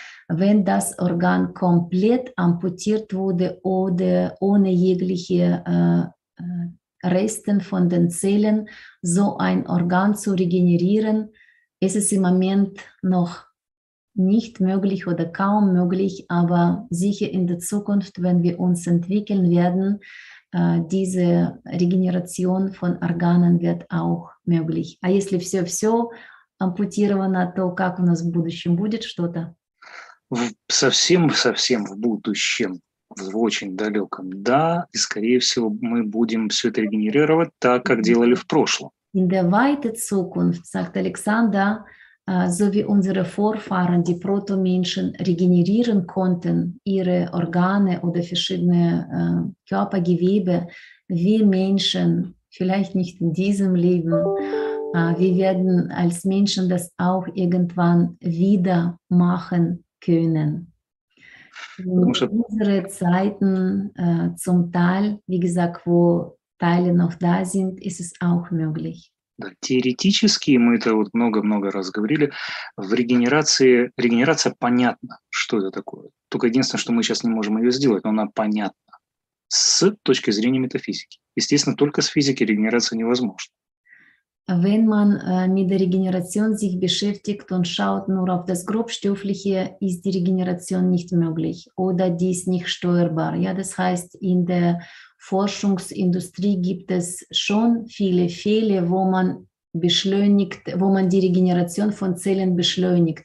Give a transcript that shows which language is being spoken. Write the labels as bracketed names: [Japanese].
[German] Wenn das Organ komplett amputiert wurde oder ohne jegliche Resten von den Zellen, so ein Organ zu regenerieren, ist es im Moment noch nicht möglich oder kaum möglich, aber sicher in der Zukunft, wenn wir uns entwickeln werden, diese Regeneration von Organen wird auch möglich. [Russian] А если все-все ампутировано, то как у нас в будущем будет что-то? Совсем-совсем в будущем, в очень далеком, да, и, скорее всего, мы будем все это регенерировать так, как делали в прошлом. [German] In der weiten Zukunft, sagt Alexander, so wie unsere Vorfahren, die Proto-Menschen, regenerieren konnten, ihre Organe oder verschiedene Körpergewebe, wir Menschen, vielleicht nicht in diesem Leben, wir werden als Menschen das auch irgendwann wieder machen können. Unsere Zeiten zum Teil, wie gesagt, wo Teile noch da sind, ist es auch möglich. [Russian] Да, теоретически, мы это вот много-много раз говорили, в регенерации, регенерация понятна, что это такое. Только единственное, что мы сейчас не можем ее сделать, но она понятна с точки зрения метафизики. Естественно, только с физики регенерация невозможна. [German] Wenn man mit der Regeneration sich beschäftigt und schaut nur auf das Grobstoffliche, ist die Regeneration nicht möglich oder die ist nicht steuerbar. Ja, das heißt, in der Forschungsindustrie gibt es schon viele Fälle, wo man beschleunigt, wo man die Regeneration von Zellen beschleunigt.